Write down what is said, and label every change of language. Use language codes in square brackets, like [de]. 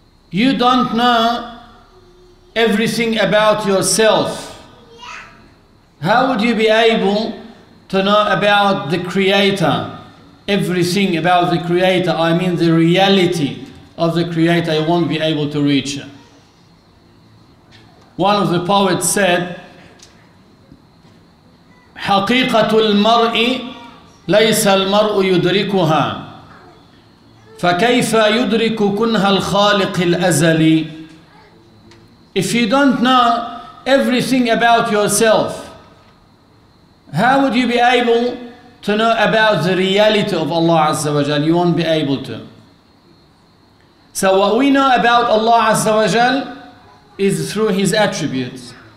[en] You don't know everything about yourself. How would you be able to know about the Creator? Everything about the Creator, I mean the reality of the Creator, you won't be able to reach it. One of the poets said, [ar] حقيقة المرء ليس المرء يدركها فكيف يدرك كنها الخالق الأزلي. [en] If you don't know everything about yourself, how would you be able to know about the reality of Allah Azza wa Jal? You won't be able to. So what we know about Allah Azza wa Jal is through His attributes.